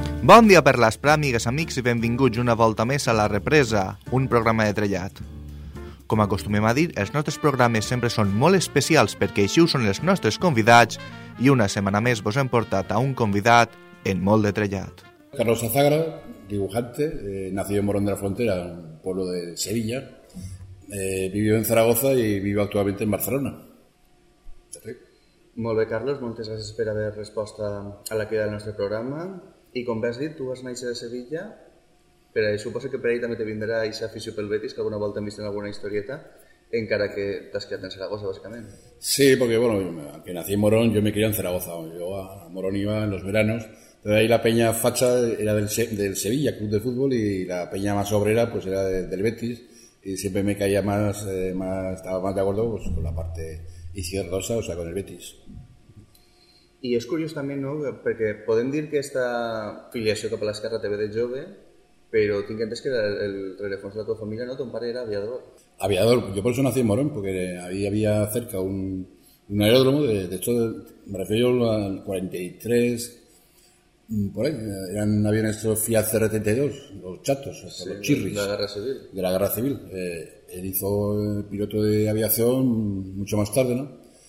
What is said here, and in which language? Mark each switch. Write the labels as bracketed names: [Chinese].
[Catalan] Bon dia per les pràmies, amigues, amics, i benvinguts una volta més a La Represa, un programa de trellat. Com acostumem a dir, els nostres programes sempre són molt especials perquè així ho són els nostres convidats i una setmana més vos hem portat a un convidat en molt de trellat. [Spanish] Carlos Azagra, dibujante, nacido en Morón de la Frontera, un pueblo de Sevilla, vivió en Zaragoza y vive actualmente en Barcelona. [Catalan] Molt bé, Carlos, moltes gràcies per haver resposta a la queda del nostre programa. I com has dit, tu vas néixer de Sevilla, però suposo que per ahí també te vindrà aquesta afició pel Betis, que alguna volta hem vist en alguna historieta, encara que t'has quedat en Zaragoza, bàsicament. [Spanish] Sí, perquè, bueno, que nací en Morón, jo me crié en Zaragoza. Jo a Morón iba en los veranos, de ahí la peña facha era del Sevilla, club de fútbol, y la peña más obrera pues era del Betis, y siempre me caía estaba más de acuerdo pues, con la parte izquierdosa, o sea, con el Betis. [Catalan] I és curiós també, no?, perquè podem dir que esta filiació cap a l'esquerra te ve de jove, però tinc entès que era el rerefons de la teva família, no? Ton pare era aviador. [Spanish] Aviador, yo por eso nací en Morón, porque ahí había cerca un aeródromo, de hecho me refiero al 43, por ahí, eran aviones estos Fiat CR-32, los chatos, hasta sí, los chirris. De la Guerra Civil. Él hizo el piloto de aviación mucho más tarde, ¿no?